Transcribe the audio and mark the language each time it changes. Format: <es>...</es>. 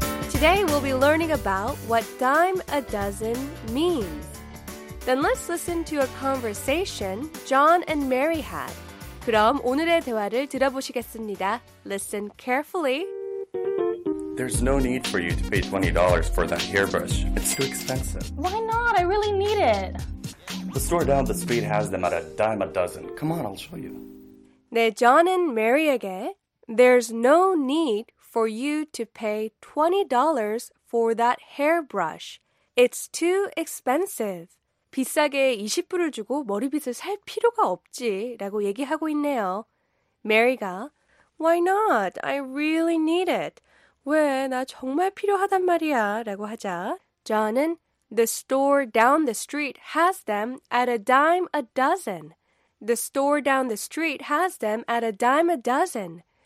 <en>Today we'll be learning about what dime a dozen means. Then let's listen to a conversation John and Mary had.</en> <ko>그럼 오늘의 대화를 들어보시겠습니다.</ko> <en>Listen carefully. There's no need for you to pay $20 for that hairbrush. It's too expensive. Why not? I really need it. The store down the street has them at a dime a dozen. Come on, I'll show you.</en> <ko>네,</ko> <en>John and Mary에게 There's no need for you to pay $20 for that hairbrush. It's too expensive.</en> <ko>비싸게 20불을 주고 머리빗을 살 필요가 없지 라고 얘기하고 있네요.</ko> <en>Mary가 Why not? I really need it.</en> <ko>왜? 나 정말 필요하단 말이야 라고 하자.</ko> <en>John은 The store down the street has them at a dime a dozen. The store down the street has them at a dime a dozen.</en>